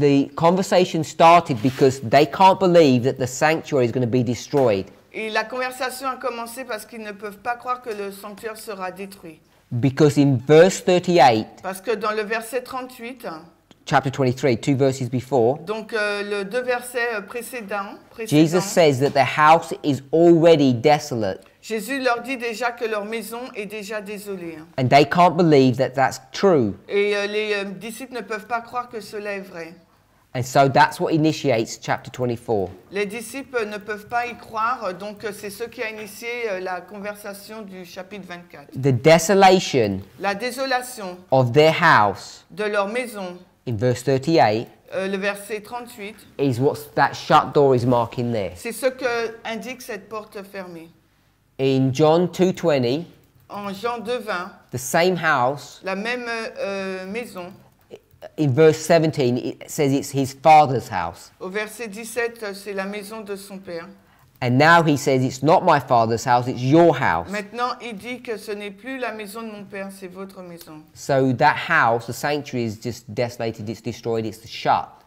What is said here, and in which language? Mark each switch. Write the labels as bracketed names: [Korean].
[English] The conversation started because they can't believe that the sanctuary is going to be destroyed. [French] Et la conversation a commencé parce qu'ils ne peuvent pas croire que le sanctuaire sera détruit. [English] Because in verse 38, [French] parce que dans le verset 38, [English] chapter 23, two verses before, [French] donc le deux versets précédents, [English] Jesus says that the house is already desolate. [French] Jésus leur dit déjà que leur maison est déjà désolée. [English] And they can't believe that that's true. [French] Et les disciples ne peuvent pas croire que cela est vrai. [English] And so that's what initiates chapter 24. [French] Les disciples ne peuvent pas y croire, donc c'est ce qui a initié la conversation du chapitre 24. [English] The desolation. [French] La désolation. [English] Of their house. [French] De leur maison. [English] In verse 38. [French] Le verset 38. [English] Is what that shut door is marking there. [French] C'est ce que indique cette porte fermée. [English] In John 2:20. [French] En Jean 2:20. [English] The same house. [French] La même maison. [English] In verse 17, it says it's his father's house. [French] Au verset 17, c'est la maison de son père. [English] And now he says it's not my father's house, it's your house. [French] Maintenant, il dit que ce n'est plus la maison de mon père, c'est votre maison. [English] So that house, the sanctuary, is just desolated, it's destroyed, it's shut.